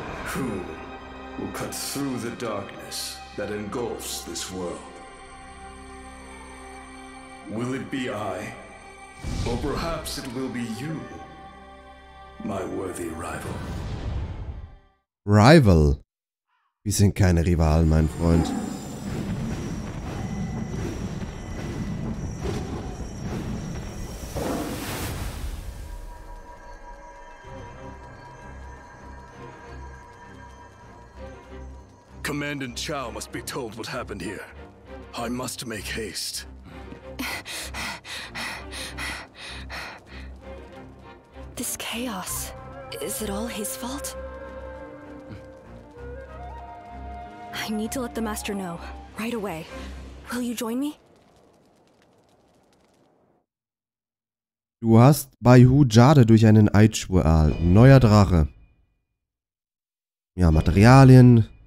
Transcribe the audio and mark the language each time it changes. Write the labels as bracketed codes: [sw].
[en] Who will cut through the darkness that engulfs this world? Will it be I, or perhaps it will be you, my worthy rival? Rival? [de] Wir sind keine Rivalen, mein Freund. [en] Commandant Chao must be told what happened here. I must make haste. This chaos, is it all his fault? I need to let the master know, right away. Will you join me? [de] Du hast bei Hu Jade durch einen Eidschwur erhalten. Neuer Drache. Ja, Materialien,